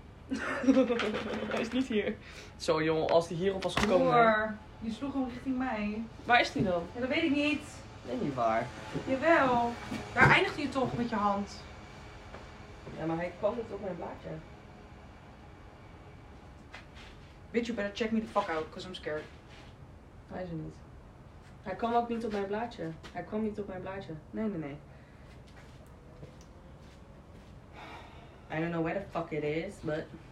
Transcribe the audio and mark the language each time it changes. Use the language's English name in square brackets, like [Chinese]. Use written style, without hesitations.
[Dutch] Hij is niet hier. Zo jong, als hij hierop was gekomen. Broer, je sloeg hem richting mij. Waar is hij dan? Ja, dat weet ik niet. Nee, niet waar. Jawel, daar eindigde je toch met je hand. Ja, maar hij kwam net op mijn blaadje. [English] Bitch, you better check me the fuck out, cause I'm scared. [Dutch] Hij is er niet. Hij kwam ook niet op mijn blaadje. Hij kwam niet op mijn blaadje. Nee, nee, nee. [English] I don't know where the fuck it is, but...